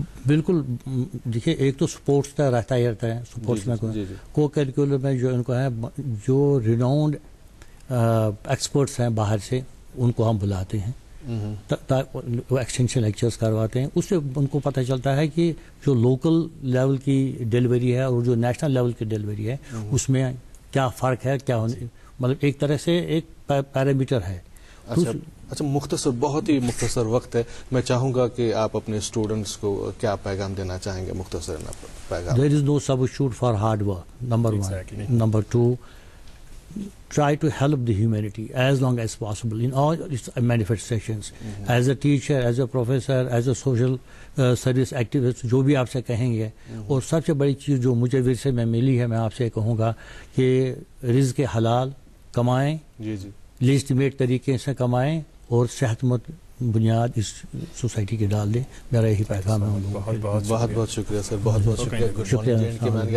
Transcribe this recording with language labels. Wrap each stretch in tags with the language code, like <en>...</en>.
<ur>بالکل دیکھیں, ایک تو سپورٹس کا رہتا ہی رہتا ہے, سپورٹس میں کو کریکولر میں جو ان کو ہے جو ریناؤنڈ ایکسپرٹس ہیں باہر سے ان کو ہم بلاتے ہیں, ایکسٹینشن لیکچرز کرواتے ہیں, اس سے ان کو پتہ چلتا ہے کہ جو لوکل لیول کی ڈلیوری ہے اور جو نیشنل لیول کی ڈلیوری ہے اس میں کیا فرق ہے, کیا ہونے مطلب ایک طرح سے ایک پیرامیٹر ہے. اچھا مختصر, بہت ہی مختصر وقت ہے, میں چاہوں گا کہ آپ اپنے اسٹوڈنٹس کو کیا پیغام دینا چاہیں گے مختصر پیغام.</ur> <en>There is no substitute for hard work, number one. Number two, try to help the humanity as long as possible in all its manifestations. Mm-hmm. As a teacher, as a professor, as a social service activist,</en> <ur>جو بھی آپ سے کہیں گے. اور سب سے بڑی چیز جو مجھے ورثے میں ملی ہے, میں آپ سے کہوں گا کہ رزق حلال کمائیں, لیسٹ میٹ طریقے سے کمائیں, اور صحت مند بنیاد اس سوسائٹی کے ڈال دیں. میرا یہی پیغام ہے. بہت بہت شکریہ سر, بہت بہت شکریہ.</ur>